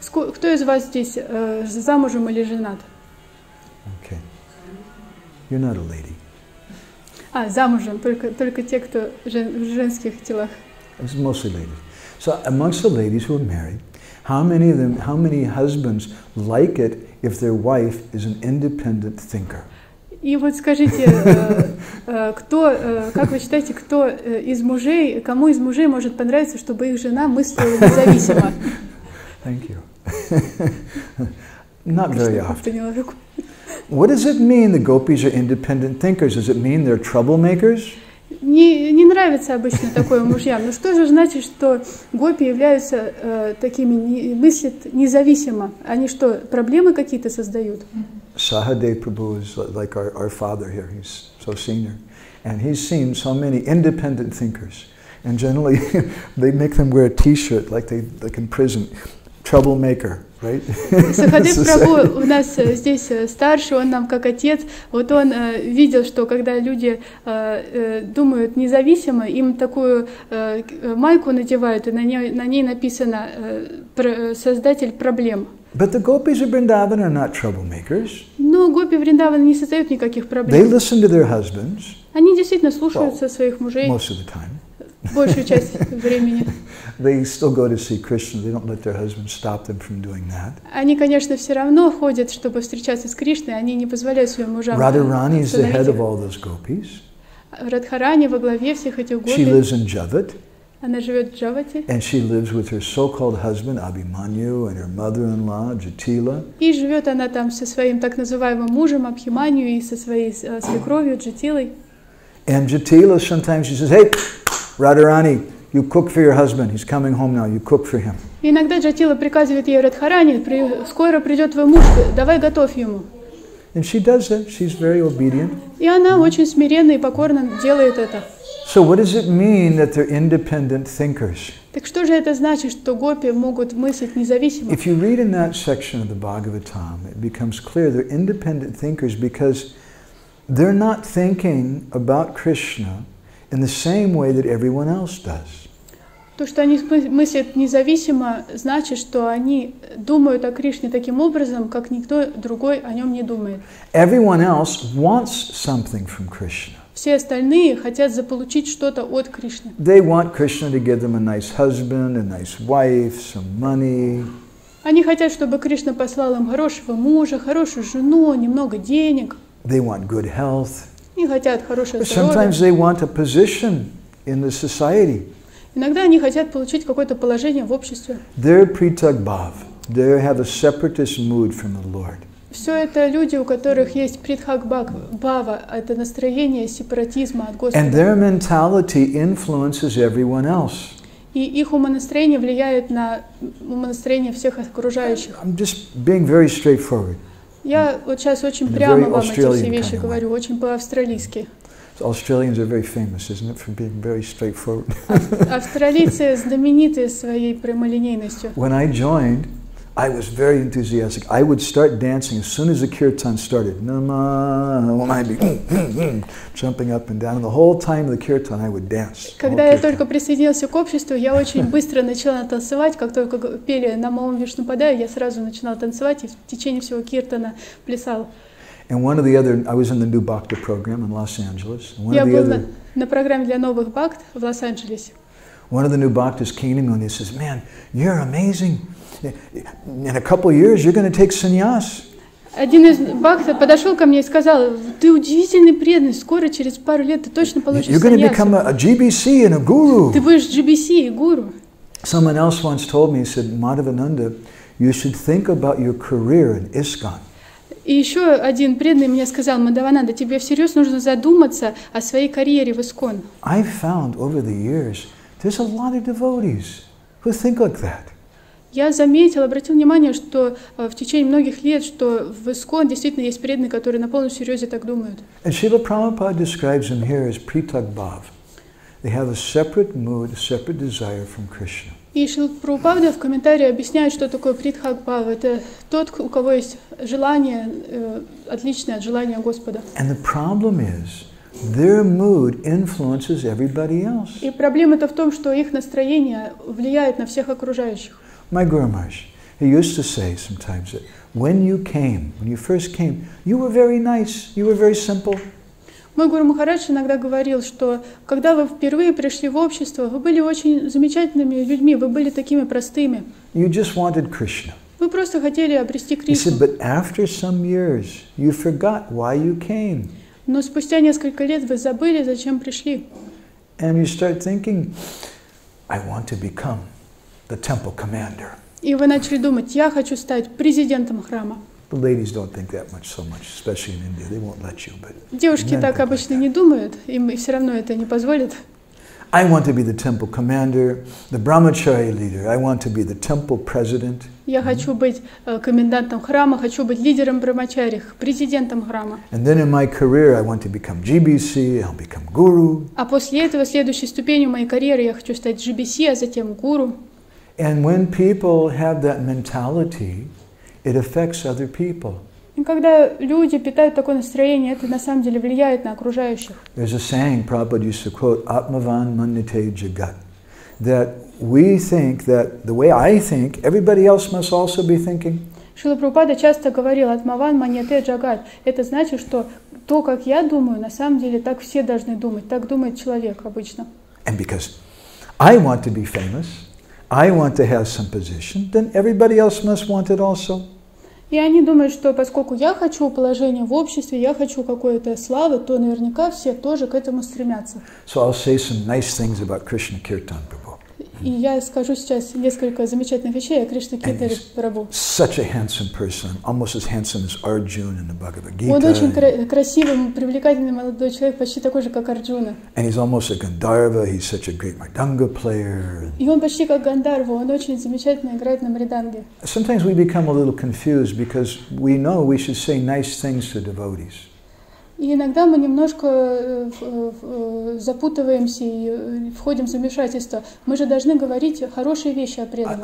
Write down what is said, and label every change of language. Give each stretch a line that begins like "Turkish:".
Russian: Кто из вас здесь замужем или женат?
English: Okay. You're not a lady.
Russian: А, замужем, только те, кто в женских телах.
English: It's mostly ladies. So amongst the ladies who are married, how many husbands like it if their wife is an independent thinker? И вот скажите, кто, как вы считаете, кто из мужей, кому из мужей может понравиться, чтобы их жена мыслила независимо? Thank you. Not very often. What does it mean the gopis are independent thinkers? Does it mean they're troublemakers?
Russian: Не нравится обычно такое мужьям. Но что же значит, что гопи являются такими, мыслят независимо? Они что, проблемы какие-то создают?
English: Sahadev Prabhu is like our father here. He's so senior. And he's seen so many independent thinkers. And generally, they make them wear a t-shirt like in prison. Troublemaker.
Russian: Сахадев Прабху у нас здесь старший, он нам как отец. Вот он видел, что когда люди думают независимо, им такую майку надевают, и на ней написано «Создатель проблем».
English: But the gopis of Vrindavan are not troublemakers.
Russian: Но гопи Вриндавана не создают никаких проблем.
English: They listen to their husbands.
Russian: Они действительно слушаются своих мужей.
English: Most of the time.
Russian: Большую часть времени.
English: They still go to see Krishna. They don't let their husbands stop them from doing that.
Russian: Они, конечно, все равно ходят, чтобы встречаться с Кришной. Они не позволяют своим мужам.
English: Радхарани is the head of all those gopis.
Russian: Радхарани во главе всех этих гопи.
English: She lives in Javat.
Russian: Она живет в Джавате.
English: And she lives with her so-called husband Abhimanyu and her mother-in-law Jatila.
Russian: И живет она там со своим так называемым мужем Абхиманью и со своей свекровью Джатилой.
English: And Jatila sometimes she says, "Hey, Radharani, you cook for your husband. He's coming home now. You cook for him."
Russian: Иногда Джатила приказывает ей: "Радхарани, скоро придет твой муж. Давай готовь ему."
English: And she does that. She's very obedient.
Russian: И она очень смиренно и покорно делает это.
English: So what does it mean that they're independent thinkers?
Russian: Так что же это значит, что гопи могут мыслить независимо?
English: If you read in that section of the Bhagavatam, it becomes clear they're independent thinkers because they're not thinking about Krishna in the same way that everyone else does.
Russian: То, что они мыслят независимо, значит, что они думают о Кришне таким образом, как никто другой о нем не думает.
English: Everyone else wants something from Krishna.
Russian: Все остальные хотят заполучить что-то от Кришны.
English: They want Krishna to give them a nice husband, a nice wife, some money.
Russian: Они хотят, чтобы Кришна послал им хорошего мужа, хорошую жену, немного денег.
English: They want good health.
Russian: Они хотят хорошее здоровье.
English: Sometimes they want a position in the society.
Russian: Иногда они хотят получить какое-то положение в обществе.
English: They're pritagbhav. They have a separatist mood from the Lord.
Russian: Все это люди, у которых есть притхагбхава, это настроение сепаратизма от Господа.
English: And their mentality influences everyone else.
Russian: И их умонастроение влияет на умонастроение всех окружающих.
English: I'm just being very straightforward.
Russian: Я вот сейчас очень прямо вам эти все вещи говорю, очень по-австралийски.
English: Australians are very famous, isn't it, for being very straightforward?
Russian: Австралийцы знамениты своей прямолинейностью.
English: When I joined, I was very enthusiastic. I would start dancing as soon as the kirtan started. Namah, I'd be jumping up and down. And the whole time of the kirtan, I would dance.
Russian: Когда я только присоединился к обществу, я очень быстро начала танцевать. Как только пели Намам Вишнупадая, я сразу начинала танцевать и в течение всего киртана плясала.
English: And one of the other, I was in the new Bhakta program in Los Angeles.
Russian: На программе для новых бхакт в Лос-Анджелесе.
English: One of the new bhaktas came to me and he says, "Man, you're amazing. In a couple of years, you're going to take sannyas."
Russian: Один из бхакта подошел ко мне и сказал, "Ты удивительный преданный. Скоро через пару лет ты точно получишь sannyas.
English: You're going to become a GBC and a guru."
Russian: Ты будешь GBC и гуру.
English: Someone else once told me, he said, "Madhavananda, you should think about your career in ISKCON."
Russian: И еще один преданный мне сказал, "Мадавананда, тебе всерьез нужно задуматься о своей карьере в ИСКОН."
English: I found over the years there's a lot of devotees who think like that.
Russian: Я заметил, обратил внимание, что в течение многих лет, что в ИСКОН действительно есть преданные, которые на полном серьезе так думают.
English: And Srila Prabhupada describes them here as pritak bhav. They have a separate mood, a separate desire from Krishna.
Russian: И Шрила Прабхупада в комментарии объясняет, что такое притхак бхава. Это тот, у кого есть желание, отличное от желания Господа.
English: And the problem is, their mood influences everybody else.
Russian: И проблема-то в том, что их настроение влияет на всех окружающих.
English: My Guru Maharaj, he used to say sometimes that when you first came, you were very nice, you were very simple.
Russian: Мой Гуру Махарадж иногда говорил, что когда вы впервые пришли в общество, вы были очень замечательными людьми, вы были такими простыми.
English: You just wanted Krishna.
Russian: Вы просто хотели обрести Кришну.
English: He said, but after some years, you forgot why you came.
Russian: Но спустя несколько лет вы забыли, зачем пришли.
English: And you start thinking, I want to become the temple commander.
Russian: И вы начали думать, я хочу стать президентом храма.
English: The ladies don't think that much, so much, especially in India. They won't let you, but.
Russian: Девушки так обычно не думают, им все равно это не позволит.
English: I want to be the temple commander, the brahmachari leader. I want to be the temple president.
Russian: Я хочу быть комендантом храма, хочу быть лидером брамачари, президентом храма.
English: And then in my career, I want to become GBC. I'll become guru.
Russian: А после этого следующей ступенью моей карьеры я хочу стать GBC, а затем гуру.
English: And when people have that mentality, it affects other people.
Russian: И когда люди питают такое настроение, это на самом деле влияет на окружающих.
English: There's a saying Prabhupada used to quote,
Sanskrit: "Atmavan manate jagat,"
English: that we think that the way I think, everybody else must also be thinking.
Russian: Шрила Прабхупада часто говорил,
Sanskrit: "Атмаван манате джагат."
Russian: Это значит, что то, как я думаю, на самом деле так все должны думать, так думает человек обычно.
English: And because I want to be famous, I want to have some position, then everybody else must want it also.
Russian: И они думают, что поскольку я хочу положение в обществе, я хочу какой-то славы, то наверняка все тоже к этому стремятся.
English: So I'll say some nice things about Krishna Kirtan Prabhu.
Russian: И я скажу сейчас несколько замечательных вещей о Кришна Киртане Прабху.
English: Such a handsome person, almost as handsome as Arjuna in the Bhagavad Gita.
Russian: Он очень красивый, привлекательный молодой человек, почти такой же, как Арджуна.
English: And he's almost a Gandharva, he's such a great Mridanga player.
Russian: И он почти как Гандарва, он очень замечательно играет на мриданге.
English: Sometimes we become a little confused because we know we should say nice things to devotees.
Russian: И иногда мы немножко запутываемся и входим в замешательство. Мы же должны говорить хорошие вещи о преданных.